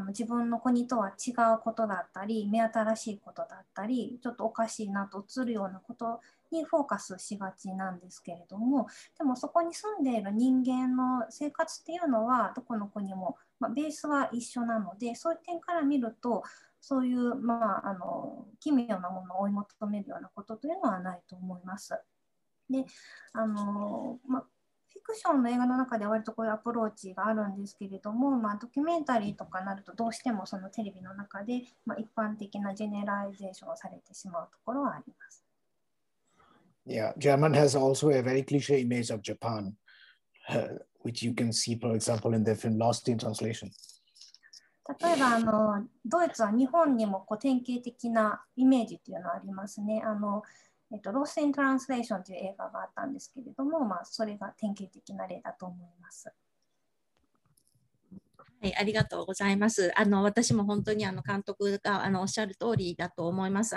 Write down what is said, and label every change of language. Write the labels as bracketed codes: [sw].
[ja] 自分の国とは違うことだったり、目新しいことだったり、ちょっとおかしいなと映るようなことにフォーカスしがちなんですけれども、でもそこに住んでいる人間の生活っていうのは、どこの国も、まあ、ベースは一緒なので、そういう点から見ると、そういう、まあ、奇妙なものを追い求めるようなことというのはないと思います。で、まあフィクションの映画の中では割とこういうアプローチがあるんですけれども、まあ、ドキュメンタリーとかなるとどうしてもそのテレビの中で、まあ、一般的なジェネラリゼーションをされてしまうところはあります。 [en] Yeah, German has also a very cliché image of Japan, which you can see, for example, in the film Lost in Translation. [ja] 例えばドイツは日本にもこう典型的なイメージというのがありますね。 Lost in Translation という映画があったんですけれども、まあ、それが典型的な例だと思います。はい、ありがとうございます。私も本当に監督がおっしゃる通りだと思います。